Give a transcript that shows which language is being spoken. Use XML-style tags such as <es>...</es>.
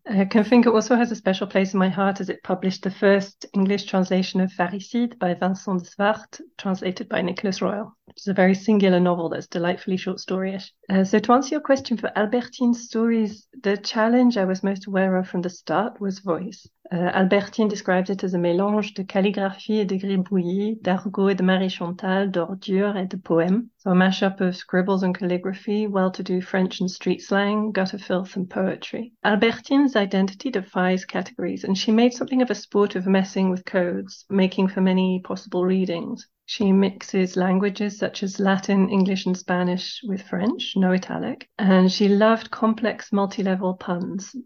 <en>Confinque also has a special place in my heart as it published the first English translation of Pharicide by Vincent de Swart, translated by Nicholas Royal, which is a very singular novel that's delightfully short story-ish. So to answer your question for Albertine's stories, the challenge I was most aware of from the start was voice. Albertine describes it as a</en> <fr>mélange de calligraphie et de gribouillis, d'argot et de Marie Chantal, d'ordure et de poème.</fr> <en>So a mashup of scribbles and calligraphy, well-to-do French and street slang, gutter filth and poetry. Albertine's identity defies categories, and she made something of a sport of messing with codes, making for many possible readings. She mixes languages such as Latin, English and Spanish with French, no italic, and she loved complex multi-level puns.</en>